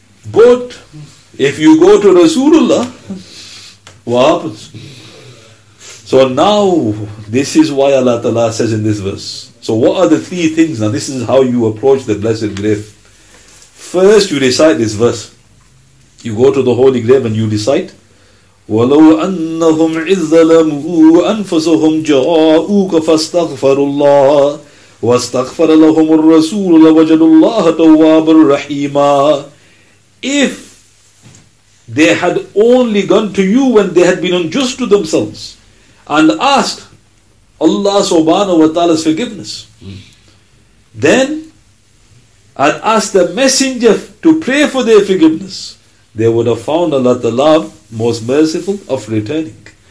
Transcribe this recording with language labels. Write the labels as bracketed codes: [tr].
[en] But if you go to Rasulullah, what happens? So now, this is why Allah Ta'ala says in this verse. So what are the three things? Now this is how you approach the blessed grave. First, you recite this verse. You go to the holy grave and you recite, [ar] وَلَوْ أَنَّهُمْ إِذْ ظَلَمُوا أَنفُسَهُمْ جَاءُوكَ فَاسْتَغْفَرُوا اللَّهَ وَاسْتَغْفَرَ لَهُمُ الرَّسُولُ لَوَجَدُوا اللَّهَ تَوَّابًا رَحِيمًا. [en] If they had only gone to you when they had been unjust to themselves and asked Allah subhanahu wa ta'ala's forgiveness, then and asked the messenger to pray for their forgiveness, they would have found Allah the love most merciful of returning.